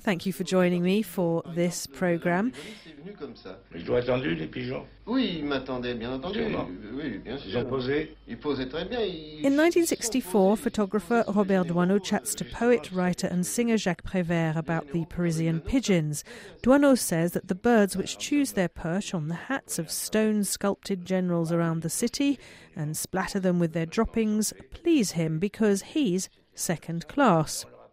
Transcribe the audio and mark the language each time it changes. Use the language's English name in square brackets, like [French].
[English] Thank you for joining me for this program. [French] Ils l'ont attendu, les pigeons. Oui, ils m'attendaient, bien entendu. Oui, bien sûr. Ils ont posé. Ils posaient très bien. [English] In 1964, photographer Robert Doisneau chats to poet, writer and singer Jacques Prévert about the Parisian pigeons. Doisneau says that the birds which choose their perch on the hats of stone-sculpted generals around the city and splatter them with their droppings please him because he's second class.